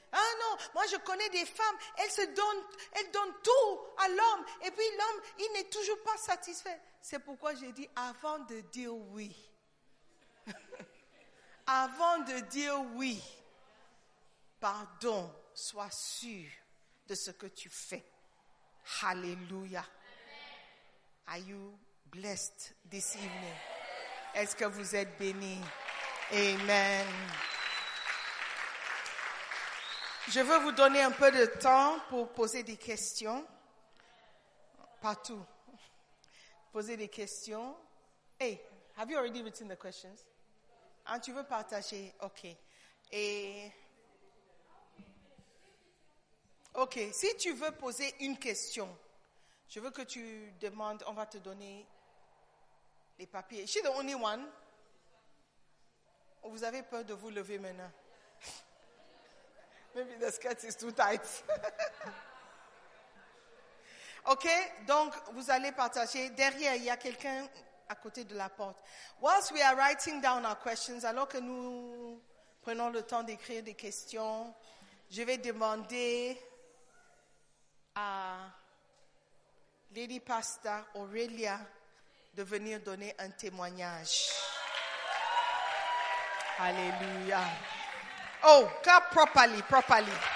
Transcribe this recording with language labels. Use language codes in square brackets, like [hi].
[fr] Ah non, moi je connais des femmes, elles donnent tout à l'homme, et puis l'homme, il n'est toujours pas satisfait. C'est pourquoi j'ai dit, avant de dire oui, avant de dire oui, pardon, sois sûr de ce que tu fais. Hallelujah. [en] Are you blessed this evening? [fr] Est-ce que vous êtes bénis? Amen. Je veux vous donner un peu de temps pour poser des questions. Partout. Poser des questions. [en] Hey, have you already written the questions? [fr] Ah, tu veux partager? Ok. Et... ok, si tu veux poser une question, je veux que tu demandes, on va te donner les papiers. [en] She's the only one. [fr] Vous avez peur de vous lever maintenant. [en] Maybe the skirt is too tight. [fr] Ok, donc vous allez partager. Derrière, il y a quelqu'un à côté de la porte. [en] Whilst we are writing down our questions, [fr] alors que nous prenons le temps d'écrire des questions, je vais demander à Lady Pastor Aurelia de venir donner un témoignage. Alléluia. [en] Oh, clap properly, properly.